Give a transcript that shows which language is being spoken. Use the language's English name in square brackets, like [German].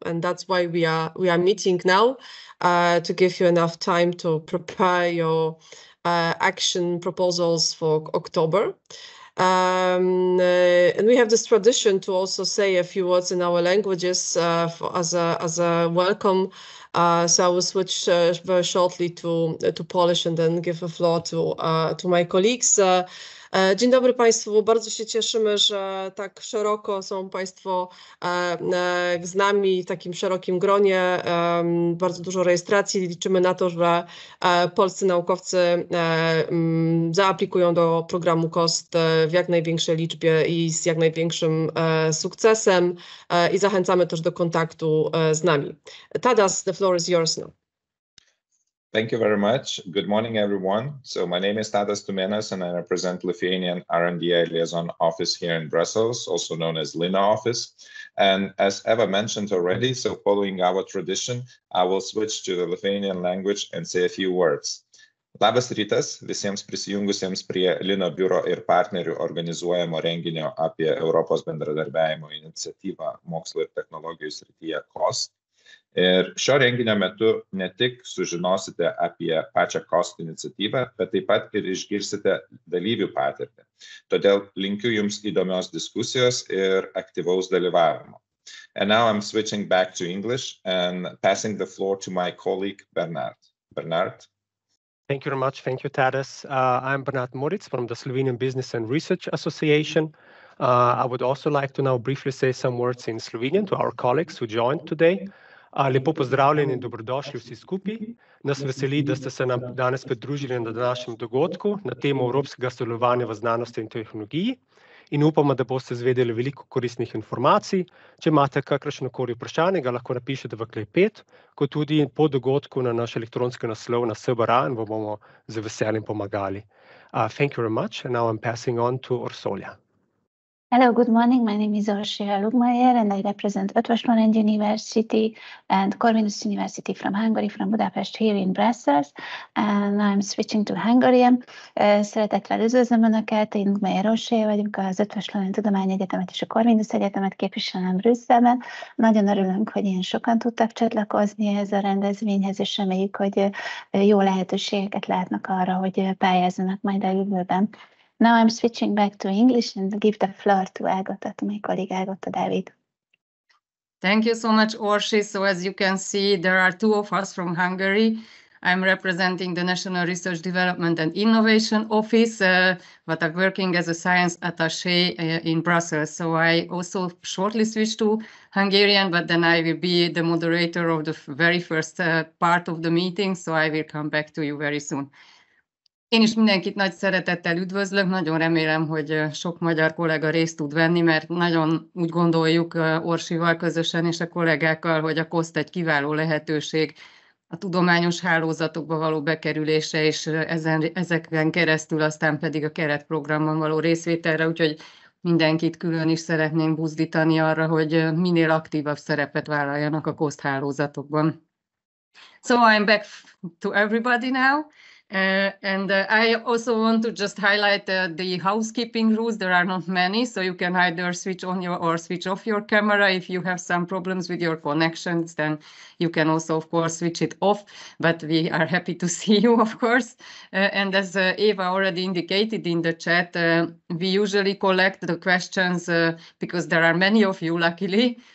[English] And that's why we are meeting now, to give you enough time to prepare your action proposals for October. And we have this tradition to also say a few words in our languages as a welcome. So I will switch very shortly to Polish and then give the floor to my colleagues. [Polish] Dzień dobry Państwu, bardzo się cieszymy, że tak szeroko są Państwo z nami w takim szerokim gronie. Bardzo dużo rejestracji, liczymy na to, że polscy naukowcy zaaplikują do programu COST w jak największej liczbie i z jak największym sukcesem, i zachęcamy też do kontaktu z nami. [English] Tadas, the floor is yours now. Thank you very much. Good morning, everyone. So my name is Tadas Tumenas, and I represent Lithuanian R&D Liaison Office here in Brussels, also known as LINA Office. And as Eva mentioned already, so following our tradition, I will switch to the Lithuanian language and say a few words. [Lithuanian] Labas rytas visiems prisijungusiems prie LINA biuro ir partnerių organizuojamo renginio apie Europos bendradarbiavimo iniciatyvą mokslo ir technologijų srityje COST. Ir šio renginio metu ne tik sužinosite apie pačią COST iniciatyvą, bet taip pat ir išgirsite dalyvių patirtį. Todėl linkiu jums įdomios diskusijos ir aktyvaus dalyvavimo. [English] And now I'm switching back to English and passing the floor to my colleague Bernard. Bernard. Thank you very much. Thank you, Tadas. I'm Bernard Moritz from the Slovenian Business and Research Association. I would also like to now briefly say some words in Slovenian to our colleagues who joined today. [Slovenian] Lepo pozdravljeni in dobrodošli vsi skupaj. Nas veseli, da ste se nam danes pridružili na današnjem dogodku na temo evropskega sodelovanja v znanosti in tehnologiji, in upamo, da boste izvedeli veliko koristnih informacij. Če imate kakršnokoli vprašanje, ga lahko napišete v klepet, kot tudi po dogodku na naš elektronski naslov na SBRA, in bomo z veseljem pomagali. [English] Thank you very much, and now I'm passing on to Orsolja. Hello, good morning. My name is Orsolya Lugmajer and I represent Ötvös-Loránd University and Corvinus University from Hungary, from Budapest here in Brussels. And I'm switching to Hungarian. [Hungarian] Szeretettel üdvözlöm Önöket, én Lugmajer Orsolya vagyok, az Ötvös-Loránd Tudományegyetemet és a Corvinus Egyetemet képviselem Brüsszelben. Nagyon örülünk, hogy ilyen sokan tudtak csatlakozni ez a rendezvényhez, és reméljük, hogy jó lehetőségeket látnak arra, hogy pályázzanak majd a jövőben. [English] Now I'm switching back to English and give the floor to Agata, to my colleague Agata David. Thank you so much, Orsi. So as you can see, there are two of us from Hungary. I'm representing the National Research Development and Innovation Office, but I'm working as a science attaché in Brussels. So I also shortly switched to Hungarian, but then I will be the moderator of the very first part of the meeting. So I will come back to you very soon. [Hungarian] Én is mindenkit nagy szeretettel üdvözlök, nagyon remélem, hogy sok magyar kollega részt tud venni, mert nagyon úgy gondoljuk Orsival közösen és a kollégákkal, hogy a COST egy kiváló lehetőség a tudományos hálózatokba való bekerülése, és ezeken keresztül aztán pedig a keretprogramban való részvételre, úgyhogy mindenkit külön is szeretnénk buzdítani arra, hogy minél aktívabb szerepet vállaljanak a COST hálózatokban. [English] So I'm back to everybody now. I also want to just highlight the housekeeping rules. There are not many, so you can either switch on your or switch off your camera. If you have some problems with your connections, then you can also, of course, switch it off. But we are happy to see you, of course. And as Eva already indicated in the chat, we usually collect the questions because there are many of you, luckily.